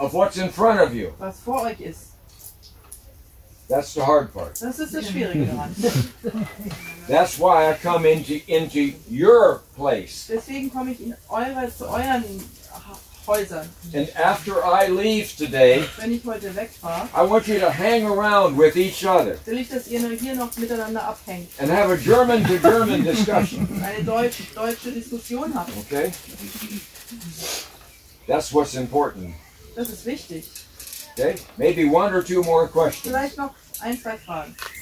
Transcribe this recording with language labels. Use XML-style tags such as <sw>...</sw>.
<en>Of what's in front of you.</en> <de>Was vor euch ist.</de> <en>That's the hard part.</en> <de>Das ist das Schwierige daran.</de> <en>That's why I come into your place.</en> <de>Deswegen komme ich in eure, zu euren Häusern.</de> <en>And after I leave today,</en> <de>wenn ich heute weg war,</de> <en>I want you to hang around with each other.</en> <de>Will ich, dass ihr nur hier noch miteinander abhängt.</de> <en>And have a German to German discussion.</en> <de>Eine deutsche Diskussion haben.</de> <en>Okay. That's what's important.</en> <de>Das ist wichtig.</de> <en>Okay, maybe one or two more questions.</en> <de>Vielleicht noch ein, zwei Fragen.</de>